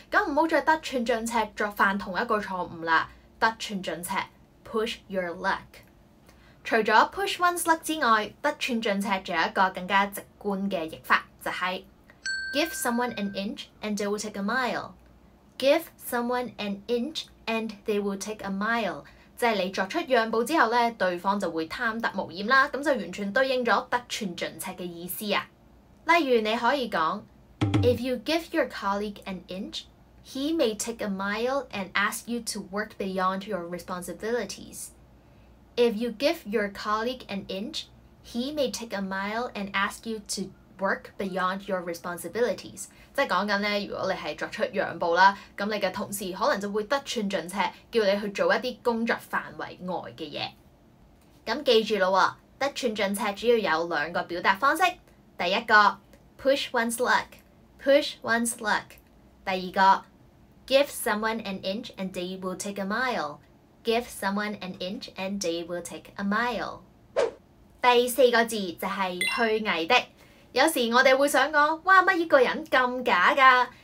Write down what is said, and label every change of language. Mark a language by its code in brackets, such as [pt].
[yue] 咁唔好再得寸進尺，再犯同一個錯誤啦。得寸進尺 ， [en] push your luck。 [yue] 除咗 [en] push one's luck [yue] 之外，得寸進尺仲有一個更加直觀嘅譯法，就係 [en] give someone an inch and they will take a mile. Give someone an inch and they will take a mile. [yue] 即係你作出讓步之後咧，對方就會貪得無厭啦。咁就完全對應咗得寸進尺嘅意思啊。例如你可以講 [en] If you give your colleague an inch, he may take a mile and ask you to work beyond your responsibilities. If you give your colleague an inch, he may take a mile and ask you to work beyond your responsibilities. [yue] 即係講緊咧，如果你係作出讓步啦，咁你嘅同事可能就會得寸進尺，叫你去做一啲工作範圍外嘅嘢。咁記住咯喎，得寸進尺主要有兩個表達方式。第一個 [en] push one's luck, push one's luck. [yue] 第二個 [en] give someone an inch and they will take a mile, give someone an inch and they will take a mile. [yue] 第四個字就係虛偽的。有時我哋會想講，哇乜依個人咁假噶？